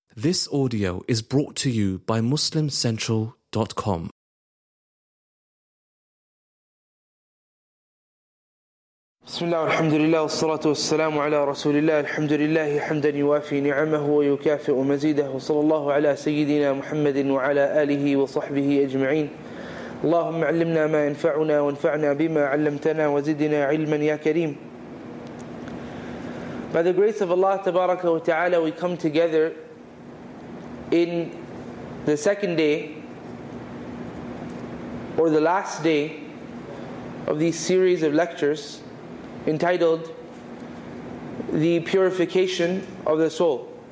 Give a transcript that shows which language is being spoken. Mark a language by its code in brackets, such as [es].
[en] This audio is brought to you by MuslimCentral.com. [ar] بسم الله والحمد لله والصلاة والسلام على رسول الله الحمد لله حمدا يوافي نعمه ويكافئ مزيده وصلى الله على سيدنا محمد وعلى آله وصحبه أجمعين اللهم علمنا ما ينفعنا وانفعنا بما علمتنا وزدنا علما يا كريم. [en] By the grace of Allah تبارك وتعالى, we come together in the second day or the last day of these series of lectures entitled The Purification of the Soul.